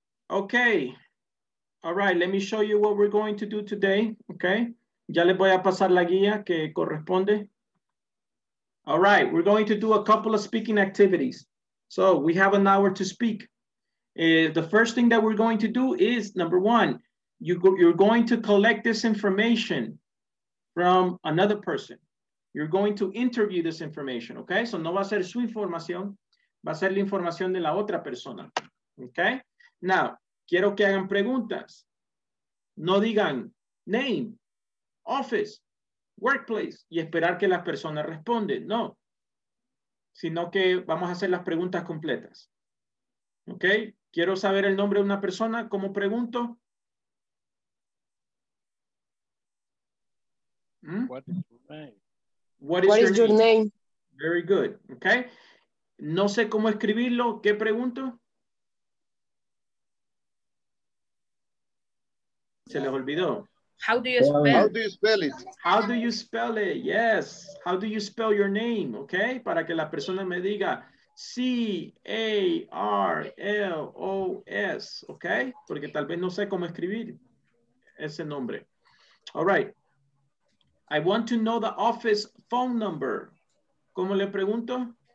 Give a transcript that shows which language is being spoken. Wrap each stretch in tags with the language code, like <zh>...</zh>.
<en>Okay, all right, let me show you what we're going to do today, okay?</en> <es>Ya les voy a pasar la guía que corresponde.</es> <en>All right, we're going to do a couple of speaking activities. So we have an hour to speak. The first thing that we're going to do is, number one, you're going to collect this information from another person. You're going to interview this information, okay?</en> <es>So no va a ser su información, va a ser la información de la otra persona, okay? Now, quiero que hagan preguntas. No digan</es> <en>name, office, workplace</en> <es>y esperar que las personas respondan. No. Sino que vamos a hacer las preguntas completas. ¿Ok? Quiero saber el nombre de una persona. ¿Cómo pregunto?</es> <en>What is your name? What is your name? Very good.</en> <es>¿Ok? No sé cómo escribirlo. ¿Qué pregunto? Se les olvidó.</es> <en>How do you spell it? How do you spell it? Yes. How do you spell your name? Okay.</en> <es>Para que la persona me diga C-A-R-L-O-S. Okay. Porque tal vez no sé cómo escribir ese nombre.</es> <en>All right. I want to know the office phone number.</en> <es>¿Cómo le pregunto?</es>